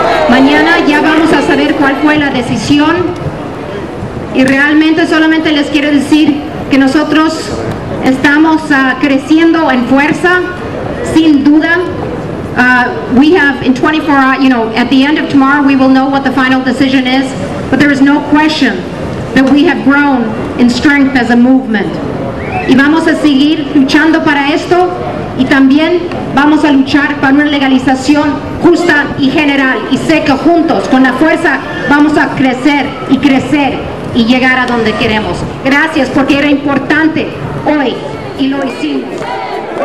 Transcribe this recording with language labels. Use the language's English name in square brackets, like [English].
[Spanish] Mañana ya vamos a saber cuál fue la decisión. Y realmente solamente les quiero decir que nosotros estamos creciendo en fuerza, sin duda. [English] We have in 24 hours, you know, at the end of tomorrow we will know what the final decision is, but there is no question that we have grown in strength as a movement. [Spanish] Y vamos a seguir luchando para esto, y también vamos a luchar para una legalización justa y general, y sé que juntos, con la fuerza, vamos a crecer y crecer y llegar a donde queremos. Gracias, porque era importante hoy y lo hicimos.